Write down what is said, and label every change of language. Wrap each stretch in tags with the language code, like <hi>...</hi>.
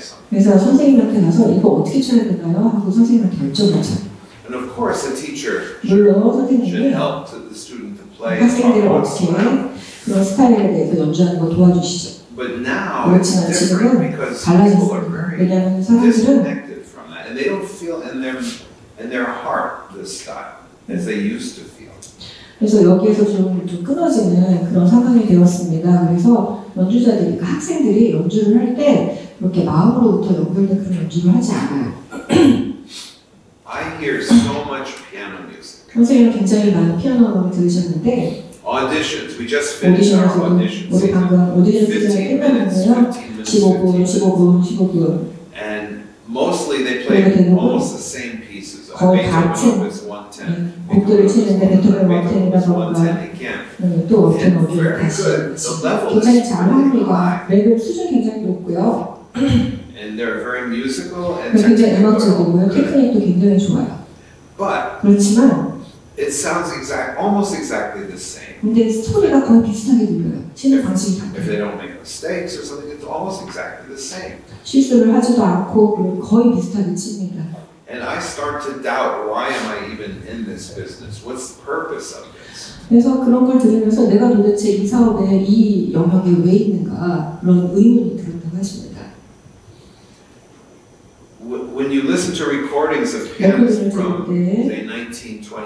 <ko>그래서 선생님한테 가서 이거 어떻게 쳐야 될까요? 하고 선생님한테 여쭤보죠.</ko> <en>And of course, the teacher</en> <ko>물론,</ko> <en>should help to the student to play.</en> <ko>학생들을 어떻게 그런 스타일에 대해서 연주하는 거 도와주시죠. But now, 그렇지만 지금은 달라졌어요. 왜냐하면 사람들은</ko> <en>and they don't feel in their heart this style as they used to feel.</en> <ko>그래서 여기에서 좀 끊어지는 그런 상황이 되었습니다. 그래서 연주자들이 그러니까 학생들이 연주를 할 때 이렇게 마음으로부터 연결된 그런 연주를 하지 않아요.</ko> <en>I hear so much piano music.</en> <ko>선생님은 굉장히 많은 피아노 음악을 들으셨는데</ko> <en>auditions. We just finished our audition.</en> <ko>우리 방금 오디션 끝났는데요. 15분.</ko> <en>And mostly they play almost the same pieces. Okay, Beethoven's 110.</en> <ko>곡들을 치는데 베토벤 110이라 그런가. 또 어떤 곡을 다시 굉장히 잘합니다. 레벨 수준 굉장히 높고요.</ko> <en>And they're very musical and</en> <ko>굉장히 음악적이고요. 테크닉도 굉장히 좋아요.</ko> <en>But</en> <ko>그렇지만</ko> <en>it sounds almost exactly the same.</en> <ko>근데 스토리가 거의 비슷하게 들려요. 치는 방식이 다르고.</ko> <en>If they don't make mistakes or something, it's almost exactly the same.</en> <ko>실수를 하지도 않고 거의 비슷하게 칩니다.</ko> <en>And I start to doubt why am I even in this business? What's the purpose of this?</en> <ko>그래서 그런 걸 들으면서 내가 도대체 이 사업에 이 영역에 왜 있는가 그런 의문이 들었다고 하십니다.</ko> <en>When you listen to recordings of pianos from, say,</en>